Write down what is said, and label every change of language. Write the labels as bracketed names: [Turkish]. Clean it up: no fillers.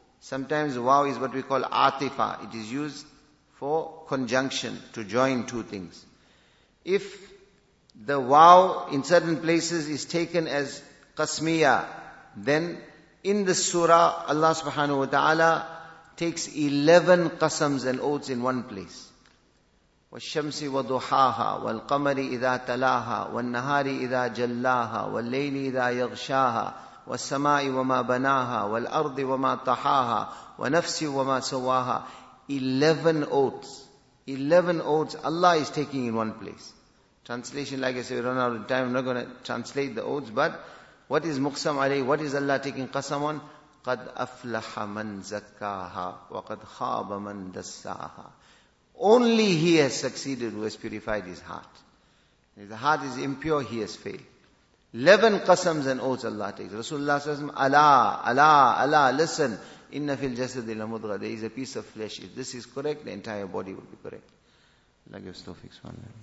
[English] Sometimes waw is what we call atifa, it is used for conjunction, to join two things. If the waw in certain places is taken as qasmiya, then in the surah, Allah subhanahu wa ta'ala takes 11 qasams and oaths in one place. [Arabic] والشمس وضحاها والقمر إذا تلاها والنهار إذا جلاها والليل إذا يغشاها والسماء وما بناها والأرض وما طحاها ونفس وما سواها. [English] 11 oaths Allah is taking in one place. Translation, like I said, we run out of time, I'm not going to translate the oaths, but what is [Arabic] مقسم عليه, [English] what is Allah taking قسم on? [Arabic] قد أفلح من زكاها وقد خاب من دساها. [English] Only he has succeeded who has purified his heart. If the heart is impure, he has failed. 11 qasams and oaths Allah takes. Rasulullah says, Allah, Allah, Allah, listen. [Arabic] Inna fil jasad ila mudgha. [English] There is a piece of flesh. If this is correct, the entire body will be correct. Allah gives tawfiq.